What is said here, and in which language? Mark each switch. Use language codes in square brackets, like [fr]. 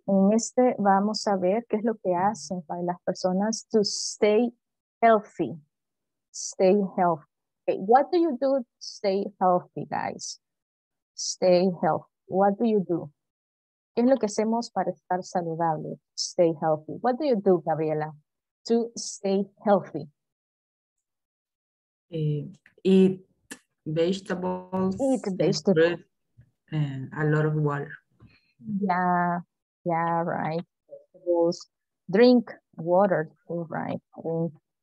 [es] En este vamos a ver qué es lo que hacen para las personas [en] to stay healthy. Stay healthy. Okay. What do you do to stay healthy, guys? Stay healthy. What do you do? [es] ¿Qué es lo que hacemos para estar saludable? [en] Stay healthy. What do you do, Gabriela, to stay healthy? Eat vegetables. Eat vegetables. And a lot of water. Yeah. Yeah, right. Vegetables. Drink water too, right? Drink.